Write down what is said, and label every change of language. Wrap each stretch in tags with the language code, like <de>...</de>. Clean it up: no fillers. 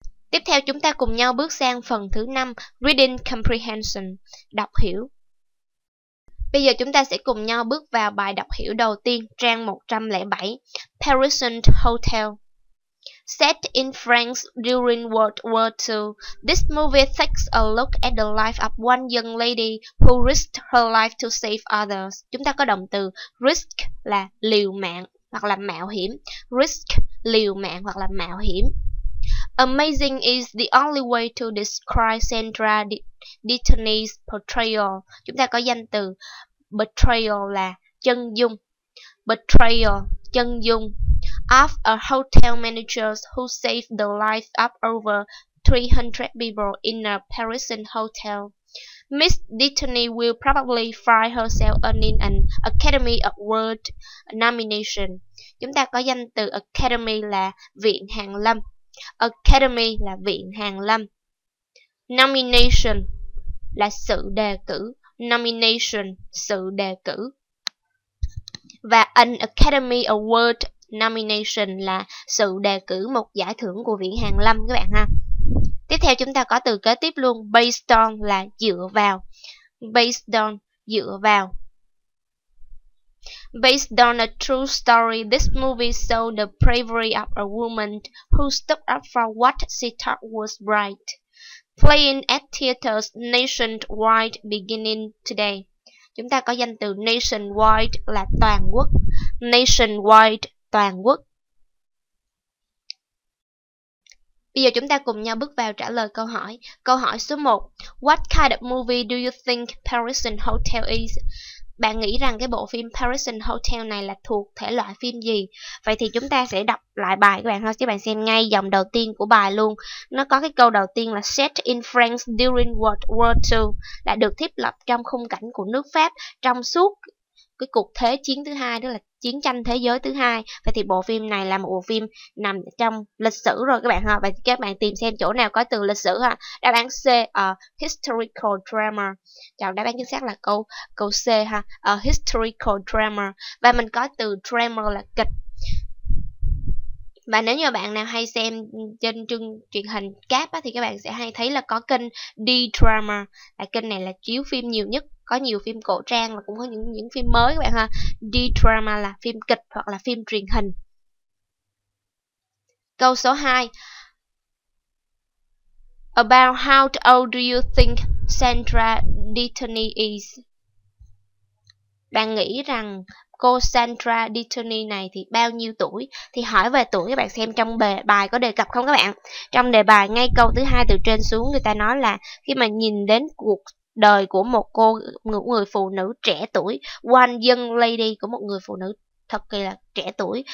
<vi>Tiếp theo chúng ta cùng nhau bước sang phần thứ 5,</vi> <en>Reading Comprehension,</en> <vi>đọc hiểu. Bây giờ chúng ta sẽ cùng nhau bước vào bài đọc hiểu đầu tiên, trang 107, Parisian Hotel.</vi> <en>Set in France during World War II, this movie takes a look at the life of one young lady who risked her life to save others.</en> <vi>Chúng ta có động từ risk là liều mạng hoặc là mạo hiểm. Risk, liều mạng hoặc là mạo hiểm.</vi> <en>Amazing is the only way to describe Sandra Dittany's portrayal.</en> <vi>Chúng ta có danh từ betrayal là chân dung. Betrayal, chân dung.</vi> <en>Of a hotel manager who saved the life of over 300 people in a Parisian hotel. Miss Dittany will probably find herself earning an Academy Award nomination.</en> <vi>Chúng ta có danh từ Academy là viện hàn lâm. Academy là viện hàn lâm. Nomination là sự đề cử. Nomination, sự đề cử. và</vi> <en>An Academy Award Nomination</en> <vi>là sự đề cử một giải thưởng của Viện Hàn Lâm các bạn ha. Tiếp theo chúng ta có từ kế tiếp luôn,</vi> <en>based on</en> <vi>là dựa vào.</vi> <en>Based on,</en> <vi>dựa vào.</vi> <en>Based on a true story, this movie showed the bravery of a woman who stood up for what she thought was right. Playing at theaters nationwide beginning today.</en> <vi>Chúng ta có danh từ nationwide là toàn quốc. Nationwide, toàn quốc. Bây giờ chúng ta cùng nhau bước vào trả lời câu hỏi. Câu hỏi số 1.</vi> <en>What kind of movie do you think Parisian Hotel is?</en> <vi>Bạn nghĩ rằng cái bộ phim Parisian Hotel này là thuộc thể loại phim gì? Vậy thì chúng ta sẽ đọc lại bài các bạn thôi, chứ bạn xem ngay dòng đầu tiên của bài luôn. Nó có cái câu đầu tiên là</vi> <en>set in France during World War II,</en> <vi>là được thiết lập trong khung cảnh của nước Pháp trong suốt cái cuộc thế chiến thứ hai, tức là chiến tranh thế giới thứ hai. Vậy thì bộ phim này là một bộ phim nằm trong lịch sử rồi các bạn ha. Vậy các bạn tìm xem chỗ nào có từ lịch sử ha. Đáp án C,</vi> <en>historical drama.</en> <vi>Chọn đáp án chính xác là câu C ha,</vi> <en>historical drama.</en> <vi>Và mình có từ drama là kịch. Và nếu như bạn nào hay xem trên chương truyền hình cáp á, thì các bạn sẽ hay thấy là có kênh D-Drama. Là kênh này là chiếu phim nhiều nhất, có nhiều phim cổ trang và cũng có những phim mới các bạn ha. D-Drama là phim kịch hoặc là phim truyền hình. Câu số 2.</vi> <en>About how old do you think Sandra Dittany is?</en> <vi>Bạn nghĩ rằng cô Sandra Dittany này thì bao nhiêu tuổi? Thì hỏi về tuổi các bạn xem trong bài có đề cập không các bạn? Trong đề bài ngay câu thứ hai từ trên xuống, người ta nói là khi mà nhìn đến cuộc đời của một cô người phụ nữ trẻ tuổi,</vi> <en>one young lady,</en> <vi>của một người phụ nữ thật kỳ là trẻ tuổi.</vi>